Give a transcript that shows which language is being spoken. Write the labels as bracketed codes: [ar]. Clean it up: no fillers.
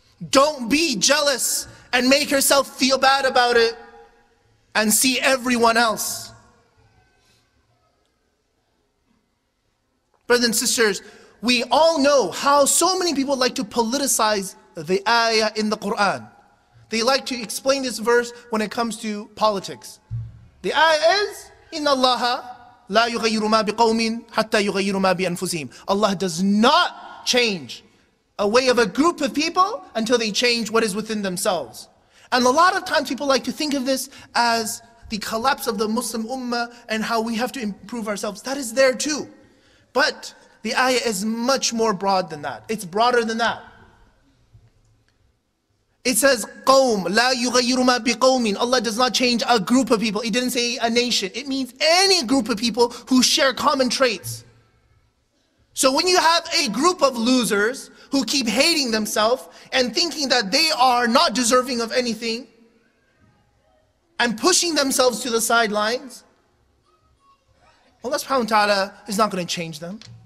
[en] Don't be jealous and make yourself feel bad about it and see everyone else. Brothers and sisters, we all know how so many people like to politicize the ayah in the Quran. They like to explain this verse when it comes to politics. The ayah is, [ar] إِنَّ اللَّهَ لَا يُغَيِّرُ مَا بِقَوْمٍ حَتَّى يُغَيِّرُ مَا بِأَنفُسِهِمْ. [en] Allah does not change a way of a group of people until they change what is within themselves. And a lot of times people like to think of this as the collapse of the Muslim Ummah and how we have to improve ourselves. That is there too. But the ayah is much more broad than that. It's broader than that. It says, [ar] قَوْم لَا يُغَيِّرُ مَا بِقَوْمٍ. [en] Allah does not change a group of people. It didn't say a nation. It means any group of people who share common traits. So when you have a group of losers who keep hating themselves and thinking that they are not deserving of anything and pushing themselves to the sidelines, Allah subhanahu wa ta'ala is not going to change them.